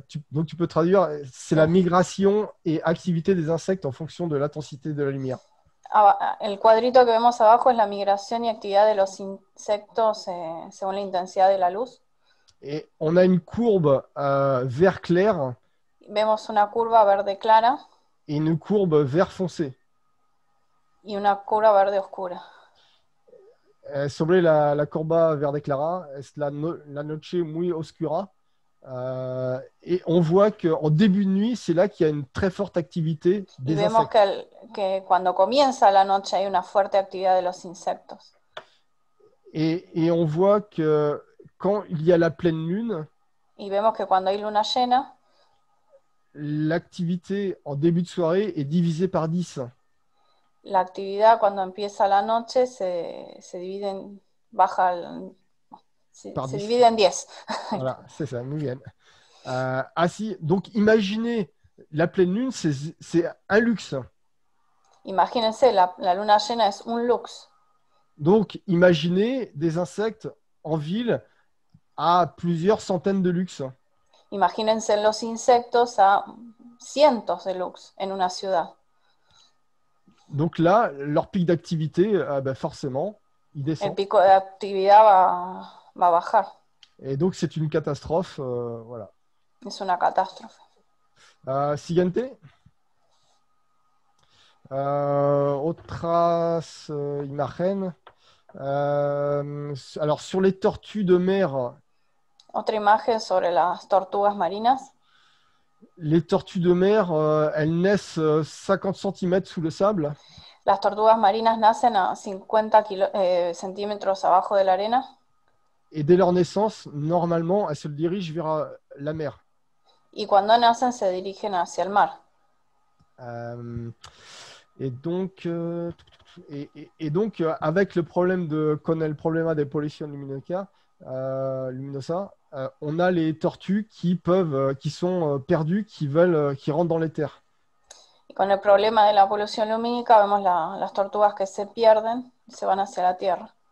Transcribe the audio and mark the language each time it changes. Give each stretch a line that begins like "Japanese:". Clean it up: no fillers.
French: Donc tu peux traduire, c'est la migration et activité des insectes en fonction de l'intensité de la lumière.
Spanish: El cuadrito que vemos abajo es la migración y actividad de los insectos según la intensidad de la luz.
French: Et on a une courbe vert clair
Spanish: Vemos una curva verde clara
French: et une courbe vert foncé.
Spanish: y una curva verde oscura. Sobre la corba verde clara, es la noche muy oscura.
French: On voit qu'en début de nuit, c'est là qu'il y a une très forte activité
Spanish: Y
French: des
Spanish: vemos
French: insectes.
Spanish: que cuando comienza la noche hay una fuerte actividad de los insectos.
French: On voit que quand il y a la pleine lune,
Spanish: Y vemos que cuando hay luna llena,
French: l'activité en début de soirée est divisée par 10.
Spanish: la actividad cuando empieza la noche se divide en baja al,
French: Par
Spanish: se
French: 10.
Spanish: divide en 10.
French: Voilà, c'est ça, nous viennent. Si, donc imaginez, la pleine lune, c'est un luxe.
Spanish: Imagínense, la luna llena es un lux.
French: Donc imaginez des insectes en ville à plusieurs centaines de luxe.
Spanish: Imagínense los insectos a cientos de lux en una ciudad.
French: Donc là, leur pic d'activité, forcément, il
Spanish: El
French: descend.
Spanish: pico de actividad va a bajar.
French: Et donc, c'est une catastrophe. Voilà.
Spanish: Es una catástrofe. Siguiente. Otras imagen.
French: Alors, sur les tortues de mer.
Spanish: Otra imagen sobre las tortugas marinas.
French: Les tortues de mer, elles naissent 50 cm sous le sable.
Spanish: Las tortugas marinas nacen a 50 centímetros abajo de la arena.
French: Et dès leur naissance, normalement, elles se dirigent vers la mer.
Spanish: Y cuando nacen se dirigen hacia el mar.
French: Avec le problème de
Spanish: con el problema de
French: pollution luminosa, on a les tortues qui sont perdues, qui rentrent dans les terres.
Spanish: Con el problema de la polución lumínica, vemos las tortugas que se pierden y se van hacia la tierra.